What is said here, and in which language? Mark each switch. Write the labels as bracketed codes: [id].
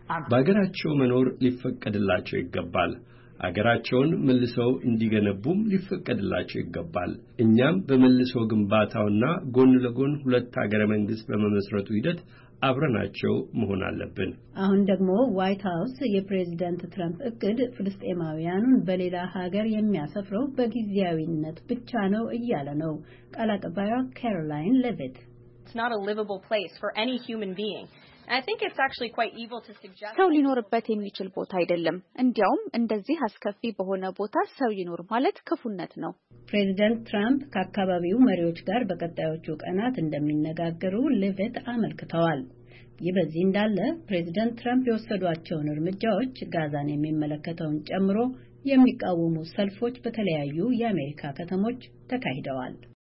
[am] በአገራቸው መኖር ሊፈቀድላቸው ይገባል። አገራቸውን መልሰው እንዲገነቡም ሊፈቀድላቸው ይገባል። እኛም በመልሶ ግንባታውና ጎን ለጎን ሁለት ሀገረ መንግስት በመመስረቱ ሂደት አብረናቸው መሆን አለብን። አሁን ደግሞ ዋይት ሃውስ የፕሬዝዳንት ትራምፕ እቅድ ፍልስጤማውያኑን በሌላ ሀገር የሚያሰፍረው በጊዜያዊነት ብቻ ነው እያለ ነው። ቃል አቀባዩ ካሮላይን ሌቪት [en] It's not a livable place for any human being. I think it's actually quite evil to suggest [am] ሰው ሊኖርበት የሚችል ቦታ አይደለም። እንዲያውም እንደዚህ አስከፊ በሆነ ቦታ ሰው ይኖር ማለት ክፉነት ነው። ፕሬዝዳንት ትራምፕ ከአካባቢው መሪዎች ጋር በቀጣዮቹ ቀናት እንደሚነጋገሩ ሌቪት አመልክተዋል። ይበዚህ እንዳለ ፕሬዝዳንት ትራምፕ የወሰዷቸው እርምጃዎች ጋዛን የሚመለከተውን ጨምሮ የሚቃወሙ ሰልፎች በተለያዩ የአሜሪካ ከተሞች ተካሂደዋል።